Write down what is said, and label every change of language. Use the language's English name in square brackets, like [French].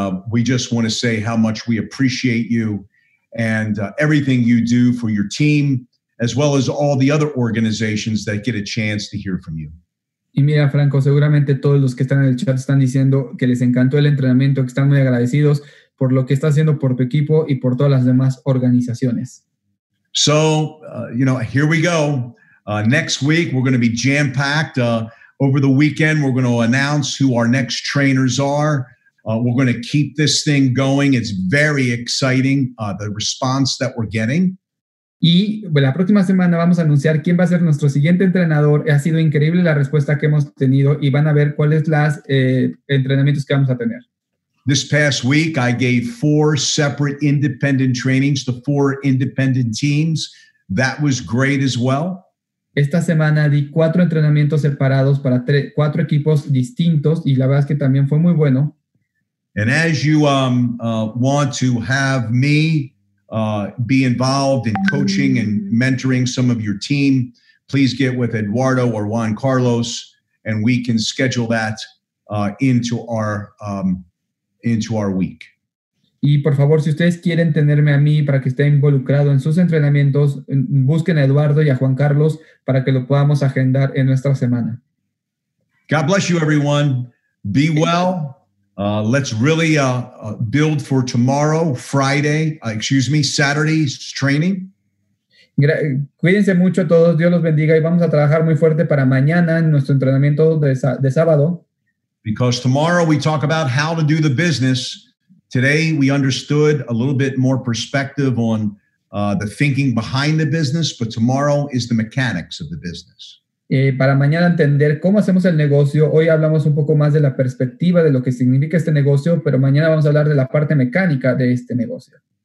[English] We just want to say how much we appreciate you. And everything you do for your team, as well as all the other organizations that get a chance to hear from you. [Spanish] Y mira, Franco, seguramente todos los que están en el chat están diciendo que les encantó el entrenamiento, que están muy agradecidos por lo que está haciendo por tu equipo y por todas las demás organizaciones. [English] So, you know, here we go. Next week, we're going to be jam-packed. Over the weekend, we're going to announce who our next trainers are. We're going to keep this thing going. It's very exciting, the response that we're getting. [Spanish] Y la próxima semana vamos a anunciar quién va a ser nuestro siguiente entrenador. Ha sido increíble la respuesta que hemos tenido y van a ver cuáles las entrenamientos que vamos a tener. [English] This past week, I gave 4 separate independent trainings to 4 independent teams. That was great as well. [Spanish] Esta semana di 4 entrenamientos separados para 4 equipos distintos y la verdad es que también fue muy bueno. [English] And as you want to have me be involved in coaching and mentoring some of your team, please get with Eduardo or Juan Carlos, and we can schedule that into our week. [Spanish] Y por favor, si ustedes quieren tenerme a mí para que esté involucrado en sus entrenamientos, busquen a Eduardo y a Juan Carlos para que lo podamos agendar en nuestra semana. [English] God bless you, everyone. Be well. Let's really build for tomorrow, Friday, excuse me, Saturday's training. [Spanish] Cuídense mucho todos, Dios los bendiga, y vamos a trabajar muy fuerte para mañana en nuestro entrenamiento de sábado. [English] Because tomorrow we talk about how to do the business. Today we understood a little bit more perspective on the thinking behind the business, but tomorrow is the mechanics of the business. [Spanish] Para mañana entender cómo hacemos el negocio, hoy hablamos un poco más de la perspectiva de lo que significa este negocio, pero mañana vamos a hablar de la parte mecánica de este negocio.